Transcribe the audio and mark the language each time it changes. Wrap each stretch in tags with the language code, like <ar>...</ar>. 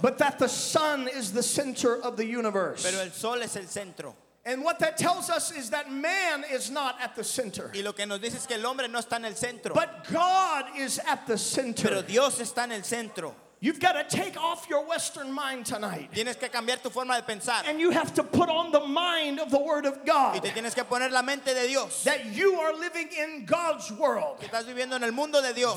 <en>But that the sun is the center of the universe.</en> <es>Pero el sol es el centro.</es> <en>And what that tells us is that man is not at the center.</en> <es>Y lo que nos dice es que el hombre no está en el centro.</es> <en>But God is at the center.</en> <es>Pero Dios está en el centro.</es> <en>You've got to take off your Western mind tonight.</en> <es>Tienes que cambiar tu forma de pensar.</es> <en>And you have to put on the mind of the Word of God.</en> <es>Y te tienes que poner la mente de Dios.</es> <en>That you are living in God's world.</en> <es>Que estás viviendo en el mundo de Dios.</es>